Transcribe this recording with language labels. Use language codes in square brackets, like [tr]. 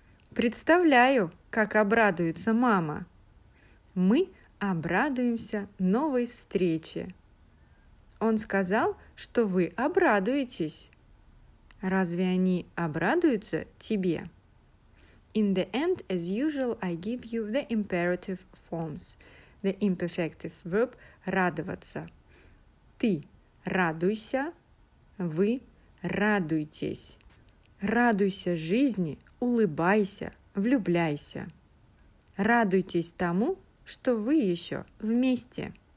[ru] Представляю, как обрадуется мама. Мы обрадуемся новой встрече. Он сказал, что вы обрадуетесь. Разве они обрадуются тебе? [en] In the end, as usual, I give you the imperative forms. The imperfective verb – радоваться. [ru] Ты радуйся, вы радуйтесь. Радуйся жизни, улыбайся, влюбляйся. Радуйтесь тому, что вы еще вместе.